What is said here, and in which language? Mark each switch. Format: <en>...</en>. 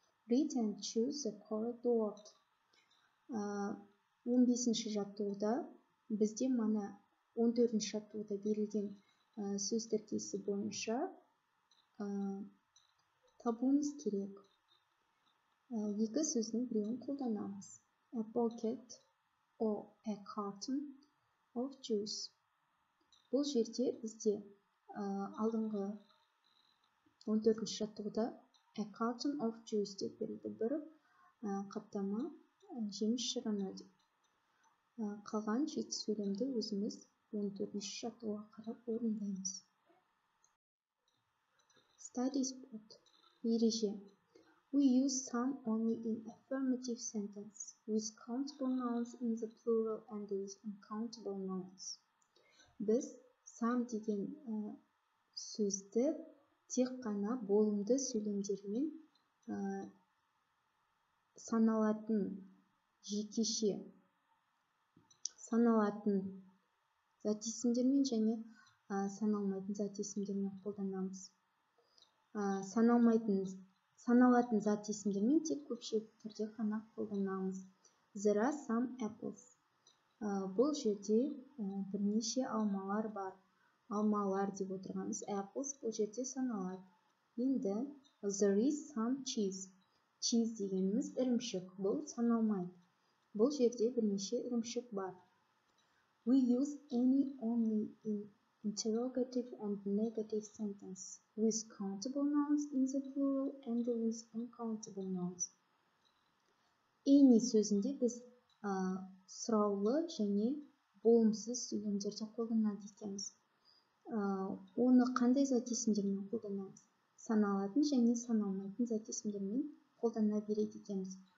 <en>Read and choose the correct word.</en> <kk>15-ші жаттығуда бізде мана 14-ші жаттығуда берілген сөз тіркесі бойынша табуымыз керек. Екі сөздің біреуін қолданамыз.</kk> <en>A pocket or a carton of juice.</en> <kk>Бұл жерде бізде алдыңғы 14-ші жаттығуда</kk> <en>a carton of juice</en> <kk>деп берілді. Бір қаптама жеміс шырыны деп. Қалған жеті сөйлемді өзіміз 14-ші жаттығуға қарап орындаймыз.</kk> <en>Study spot. Ереже. We use some only in affirmative sentence, with countable nouns in the plural and with uncountable nouns.</en> <kk>Biz some деген сөзді тек қана болымды сөйлемдермен саналатын жекеше саналатын зат есімдермен және саналмайтын зат есімдермен қолданамыз. Саналмайтын саналатын зат есімдермен тек көпшілік түрде ғана қолданамыз.</kk> <en>There are some apples.</en> <kk>Бұл жерде бірнеше алмалар бар. Алмалар деп отырғанымыз apples бұл жерде саналады.</kk> <en>Енді there is some cheese.</en> <kk>Cheese дегеніміз ірімшік. Бұл саналмайды. Бұл жерде бірнеше ірімшік бар.</kk> <en>We use any only in interrogative and negative sentence with countable nouns in the plural and with uncountable nouns.</en> <kk>Any сөзінде біз сұраулы және болымсыз сөйлемдерді қолданады екенбіз. Оны қандай зат есімдермен қолданамыз? Саналатын және саналмайтын зат есімдермен қолдана береді екенбіз.</kk>